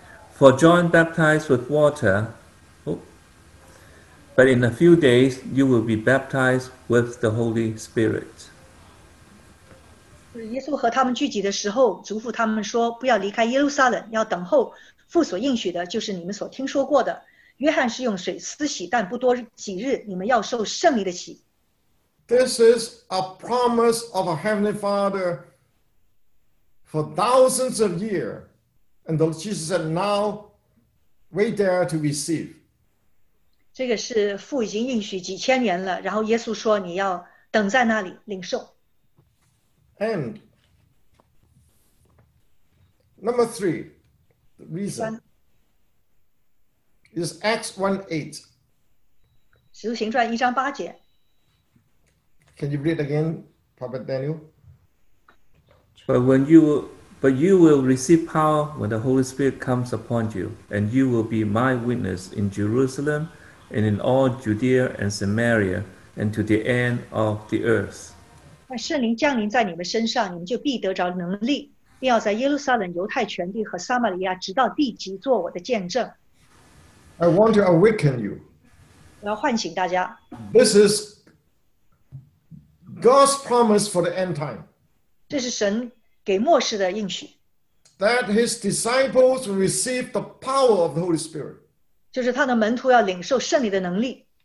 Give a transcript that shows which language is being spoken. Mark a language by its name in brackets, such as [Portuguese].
[English] For John baptized with water, But in a few days, you will be baptized with the Holy Spirit. [Chinese] 耶稣和他们聚集的时候, 嘱咐他们说, 不要离开耶路撒冷, 要等候, 父所应许的, 就是你们所听说过的, 约翰是用水施洗, 但不多几日, 你们要受圣灵的洗。 [English] This is a promise of a Heavenly Father for thousands of years. And the Jesus said, now wait there to receive. [Chinese] 这个是父已经应许几千年了, 然后耶稣说你要等在那里领受。 [English] And number three, the reason is Acts 1:8. [Chinese] 使徒行传一章八节。 [English] Can you read again, Prophet Daniel? But you will receive power when the Holy Spirit comes upon you, and you will be my witness in Jerusalem and in all Judea and Samaria and to the end of the earth. [Chinese] 圣灵降临在你们身上，你们就必得着能力， 并要在耶路撒冷、犹太全地和撒玛利亚直到地极做我的见证。 [English] I want to awaken you. [Chinese] 我要唤醒大家。 [English] This is God's promise for the end time. [Chinese] 这是神给末世的应许。 [English] That his disciples will receive the power of the Holy Spirit. [Chinese] 就是他的门徒要领受圣灵的能力。